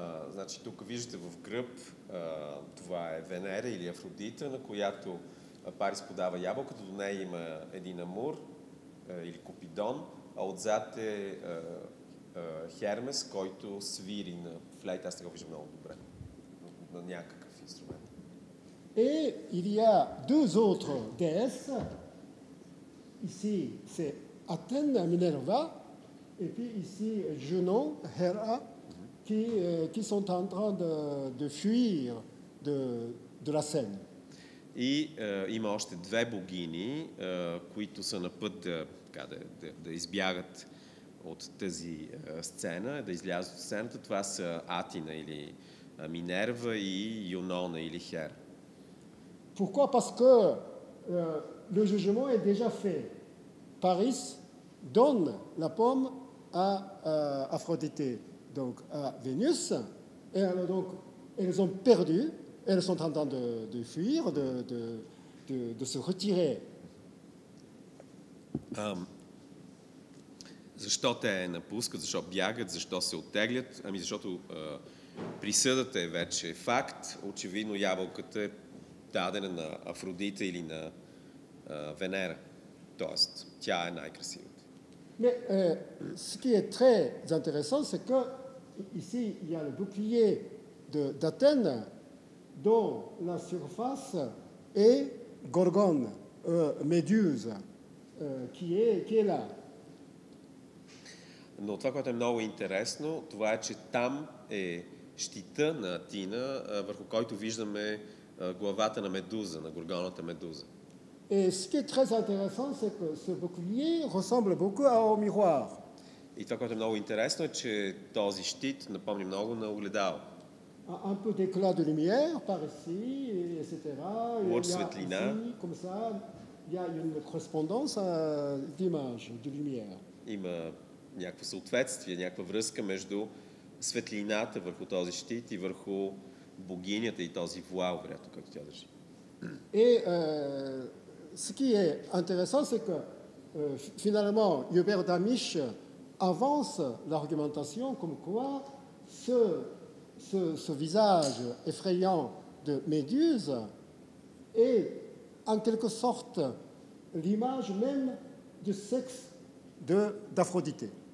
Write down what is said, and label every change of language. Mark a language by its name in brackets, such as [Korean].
[Bulgarian] значи тук виждате в гръб, това е Венера или Афродита, на която Парис подава ябълката, до нея има един амур или Купидон, а отзад е Хермес, който свири на флейта, аз не го виждам много добре, на някакъв инструмент. [French] Et il y a deux autres déesses. Ici, c'est Athéna, Minerva, et puis ici, Junon, Hera, qui sont en train de fuir de la scène. [Bulgarian] И има още две богини, които са на път да избягат от тази сцена, да излязат от сцената. Това са Атина или Минерва и Юнона или Хера. [French] Pourquoi? Parce que le jugement est déjà fait. Paris donne la pomme à Aphrodite, donc à Vénus, et alors, donc elles ont perdu, elles sont en train de fuir, de se retirer. [Bulgarian] Защо те напускат, защо бягат, защо се оттеглят? Ами защото присъдата е вече факт, очевидно ябълката е дадена на Афродита или на Венера. Тоест, тя е най-красивата. [French] Mais ce qui est très intéressant, c'est que ici il y a le bouclier d'Athènes dont la surface est Gorgone, Méduse, qui est là. [Bulgarian] Но това, което е много интересно, това е, че там е щита на Атина, върху който виждаме главата на Медуза, на Горгоната Медуза. [French] Et ce qui est très intéressant, c'est que ce bouclier ressemble beaucoup à un miroir. [Bulgarian] И това, което е много интересно, е, че този щит напомни много на огледало. [French] Un peu d'éclat de lumière par ici, etc. [Bulgarian] Лъч светлина. [French] Comme ça, il y a une correspondance d'image, de lumière. [Bulgarian] Има някакво съответствие, някаква връзка между светлината върху този щит и върху богинята и този вуал, вероятно, както тя държи. [French] Et ce qui est intéressant, c'est que finalement, Hubert d'Amiche avance l'argumentation comme quoi ce visage effrayant de Méduse est en quelque sorte l'image même du sexe d'Aphrodite.